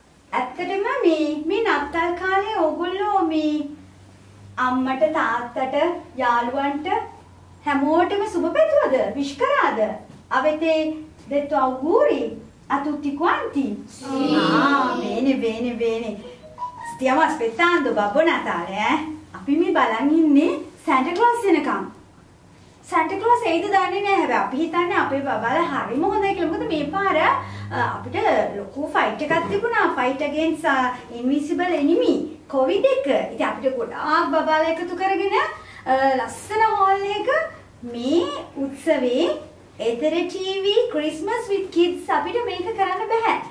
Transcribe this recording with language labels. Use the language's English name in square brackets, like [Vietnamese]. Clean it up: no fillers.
[Sinhala] ඇත්තටම මේ නත්තල් කාලේ ඔගොල්ලෝ මේ අම්මට තාත්තට යාළුවන්ට හැමෝටම සුබ පැතුමද? Wish කරාද? [Italian] Avete detto auguri a tutti quanti? Sì. Ah, bene, bene, bene. Stiamo aspettando Babbo Natale, eh? [Sinhala] අපි මේ බලන් ඉන්නේ සැන්ටා ක්ලෝස් එනකම්. සැන්ටා ක්ලෝස් එයිද දන්නේ නැහැ. හැබැයි අපි හිතන්නේ අපේ බබාලා හරිම හොඳයි කියලා. මොකද මේ පාර අපිට ලොකු ෆයිට් එකක් තිබුණා. [English] Fight against invisible enemy COVID එක. [Sinhala] ඉතින් අපිට ගොඩාක් බබාලා එකතු කරගෙන ලස්සන හෝල් එක මේ උත්සවේ එතර ටීවී ක්‍රිස්මස් විත් කිඩ්ස් අපිට මේක කරන්න බෑ.